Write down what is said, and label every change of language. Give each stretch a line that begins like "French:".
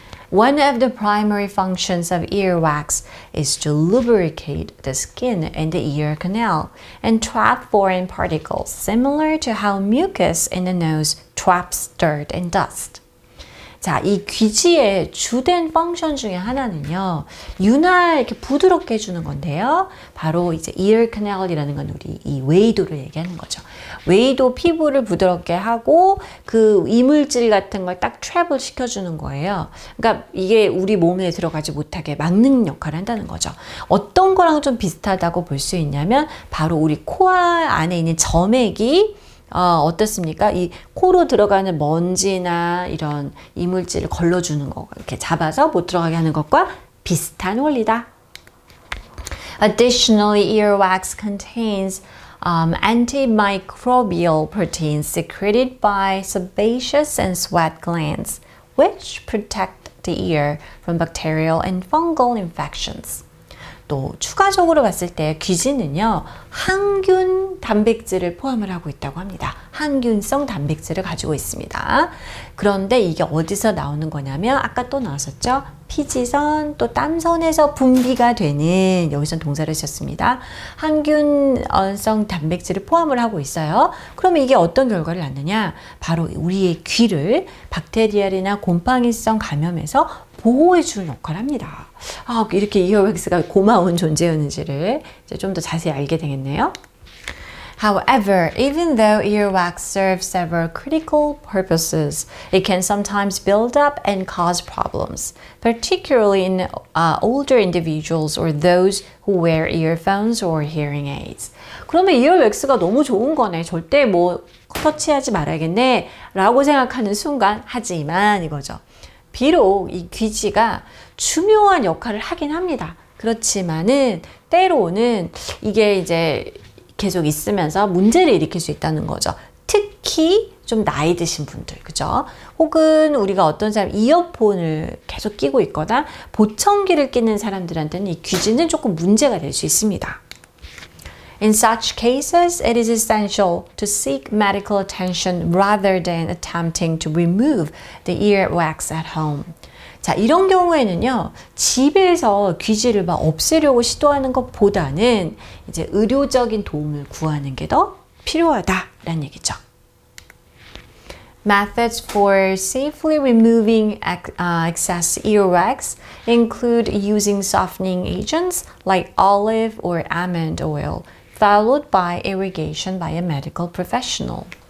English: One of the primary functions of earwax is to lubricate the skin and the ear canal and trap foreign particles, similar to how mucus in the nose traps dirt and dust.
Korean: 자, 이 귀지의 주된 펑션 중에 하나는요, 윤활 이렇게 부드럽게 해주는 건데요. 바로 이제 ear canal이라는 건 우리 이 외이도를 얘기하는 거죠. 외이도 피부를 부드럽게 하고 그 이물질 같은 걸딱 트랩을 시켜주는 거예요. 그러니까 이게 우리 몸에 들어가지 못하게 막는 역할을 한다는 거죠. 어떤 거랑 좀 비슷하다고 볼수 있냐면 바로 우리 코 안에 있는 점액이 어떻습니까? 이 코로 들어가는 먼지나 이런 이물질을 걸러주는 거, 이렇게 잡아서 못 들어가게 하는 것과 비슷한 원리다.
English: Additionally, earwax contains antimicrobial proteins secreted by sebaceous and sweat glands, which protect the ear from bacterial and fungal infections.
Korean: 또 추가적으로 봤을 때 귀지는요, 항균 단백질을 포함을 하고 있다고 합니다. 항균성 단백질을 가지고 있습니다. 그런데 이게 어디서 나오는 거냐면, 아까 또 나왔었죠? 피지선, 또 땀선에서 분비가 되는, 여기선 동사를 썼습니다. 항균성 단백질을 포함을 하고 있어요. 그러면 이게 어떤 결과를 낳느냐? 바로 우리의 귀를 박테리아나 곰팡이성 감염에서 보호해 주는 역할을 합니다. 아, 이렇게 이 이어팩스가 고마운 존재였는지를 이제 좀더 자세히 알게 되겠네요.
English: However, even though earwax serves several critical purposes, it can sometimes build up and cause problems, particularly in older individuals or those who wear earphones or hearing aids.
Korean: 그러면 이어팩스가 너무 좋은 거네. 절대 뭐 터치하지 말아야겠네. 라고 생각하는 순간, 하지만 이거죠. 비록 이 귀지가 중요한 역할을 하긴 합니다. 그렇지만은 때로는 이게 이제 계속 있으면서 문제를 일으킬 수 있다는 거죠. 특히 좀 나이 드신 분들, 그죠? 혹은 우리가 어떤 사람 이어폰을 계속 끼고 있거나 보청기를 끼는 사람들한테는 이 귀지는 조금 문제가 될수 있습니다.
English: In such cases, it is essential to seek medical attention rather than attempting to remove the earwax at home.
Korean: 자, 이런 경우에는요, 집에서 귀지를 막 없애려고 시도하는 것보다는 이제 의료적인 도움을 구하는 게더 필요하다라는 얘기죠.
English: Methods for safely removing excess earwax include using softening agents like olive or almond oil, followed by irrigation by a medical professional.